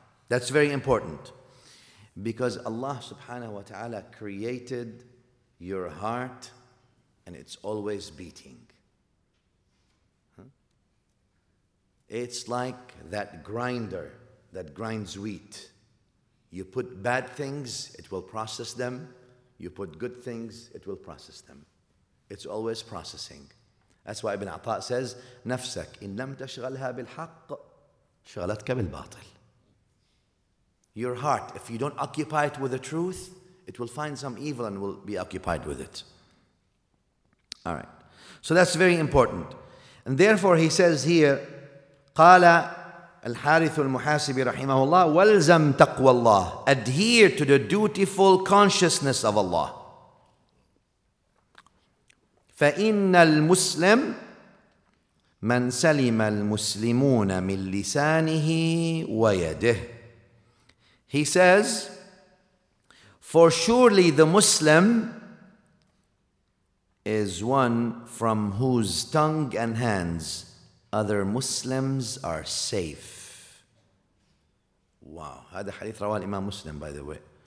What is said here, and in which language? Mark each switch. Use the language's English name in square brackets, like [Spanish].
[English] That's very important. Because Allah subhanahu wa ta'ala created your heart and it's always beating. It's like that grinder that grinds wheat. You put bad things, it will process them. You put good things, it will process them. It's always processing. That's why Ibn Atta says, [Arabic] نفسك إن لم تشغلها بالحق شغلتك بالباطل. [English] Your heart, if you don't occupy it with the truth, it will find some evil and will be occupied with it. All right. So that's very important. And therefore he says here, [Arabic] قال الحارث المحاسبي رحمه الله والزم تقوى الله. [English] Adhere to the dutiful consciousness of Allah. [Arabic] فَإِنَّ الْمُسْلِمْ مَنْ سَلِمَ الْمُسْلِمُونَ مِنْ لِسَانِهِ وَيَدِهِ. [English] He says, for surely the Muslim is one from whose tongue and hands other Muslims are safe. Wow. [Arabic] هذا حديث رواه الإمام مسلم, [English] by the way.